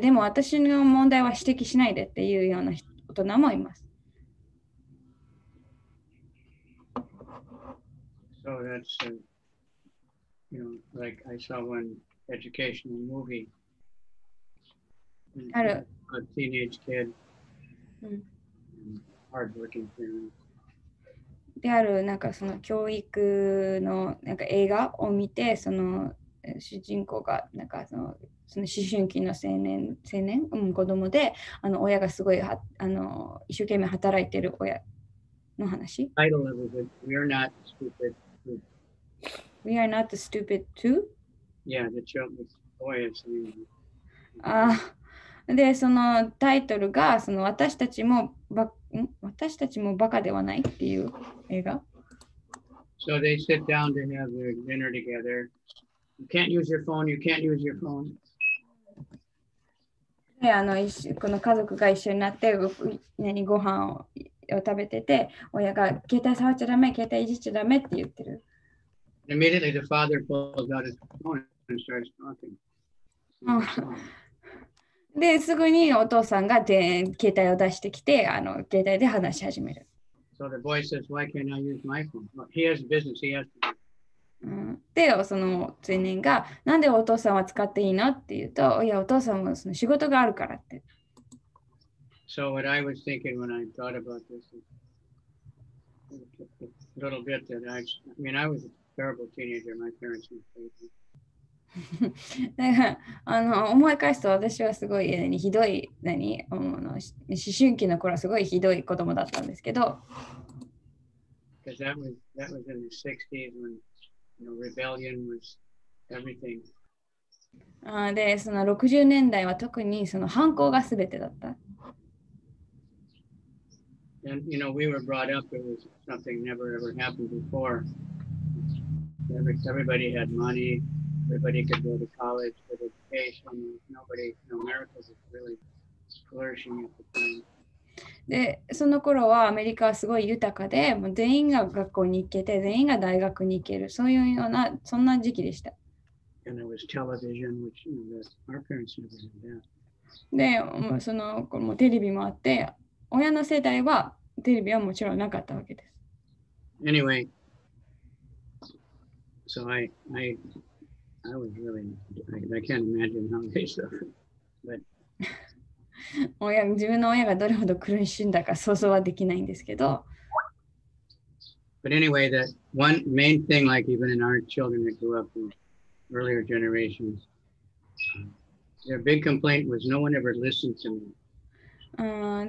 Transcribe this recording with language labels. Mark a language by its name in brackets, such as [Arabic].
[Japanese] でも私の問題は指摘しないでっていうような大人もいます。 [English] So that's a, you know, like I saw one educational movie. [Japanese] ある。 [English] A teenage kid. Hardworking parents. [Japanese] であるなんかその教育のなんか映画を見てその主人公がなんかその思春期の青年、子供で親がすごい一生懸命働いてる親の話。 [English] I don't know, but we are not stupid too. We are not the stupid too? Yeah, the children's boys. [Japanese] でそのタイトルがその私たちもバカではないっていう映画。 [English] So they sit down to have their dinner together. You can't use your phone. You can't use your phone. [Japanese] でこの家族が一緒になって何ご飯を食べてて親が携帯触っちゃダメ、携帯いじっちゃダメって言ってる。 [English] Immediately the father pulls out his phone and starts talking. [Japanese] ですぐにお父さんが携帯を出してきて携帯で話し始める。 [English] So the boy says, why can't I use my phone? Well, he has a business, he has to. [Japanese] で、その青年が、なんでお父さんは使っていいのって言うと、いや、お父さんもその仕事があるからって。 [English] So what I was thinking when I thought about this is a little bit that I mean, I was a terrible teenager, my parents were crazy. [Japanese] 思い返すと私はすごい、ひどい思春期の頃はすごいひどい子供だったんですけど。 [English] That was in the 60s when, you know, rebellion was everything. [Japanese] で、その60年代は特にその反抗が全てだった。 [English] And, you know, we were brought up, it was something never ever happened before. Everybody had money. Everybody could go to college for education. Nobody, no, America was really flourishing at the time. [Japanese] で、その頃はアメリカはすごい豊かで、もう全員が学校に行けて、全員が大学に行ける、そういうような、そんな時期でした。 [English] And there was television, which, you know, our parents never had that. [Japanese] で、その頃もテレビもあって、親の世代はテレビはもちろんなかったわけです。 [English] Anyway, so I was really, I can't imagine how they suffered, but. [Japanese] 自分の親がどれほど苦しんだか想像はできないんですけど。 [English] But anyway, that one main thing, like even in our children that grew up in earlier generations, their big complaint was no one ever listened to me.